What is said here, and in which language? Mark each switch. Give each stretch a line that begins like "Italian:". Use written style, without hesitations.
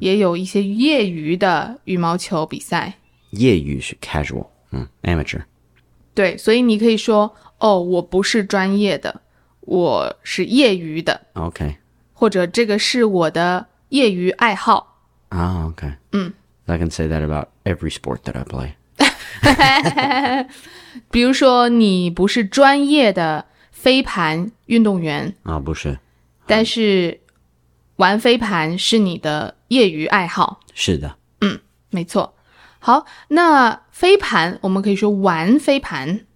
Chinese: 也有一些业余的羽毛球比赛。业余是 casual,、amateur. 对，所以你可以说哦，我不是专业的，我是业余的。
English: OK.
Chinese: 或者这个是我的业余爱好。
English: Oh, OK.、嗯、 I can say that about every sport that I play.
Chinese: 比如说你不是专业的飞盘运动员啊、哦、不是但是玩飞盘是你的业余爱好是的嗯没错好那飞盘我们可以说玩飞盘